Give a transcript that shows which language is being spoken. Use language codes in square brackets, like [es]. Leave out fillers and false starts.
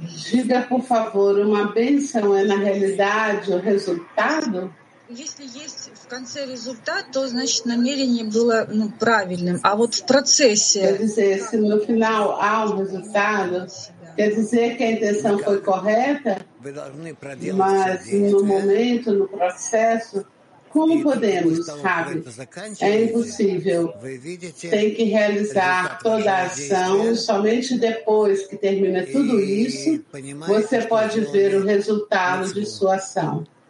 [pt] Diga, por favor, uma bênção é, na realidade, o resultado? [ru] Если есть в конце результат, то значит намерение было ну, правильным. А вот в процессе... [pt] Quer dizer, se no final há um resultado, quer dizer que a intenção foi correta, mas no momento, no processo, como podemos, Rabi? É impossível. Tem que realizar toda a ação e somente depois que termina tudo isso, você pode ver o resultado de sua ação.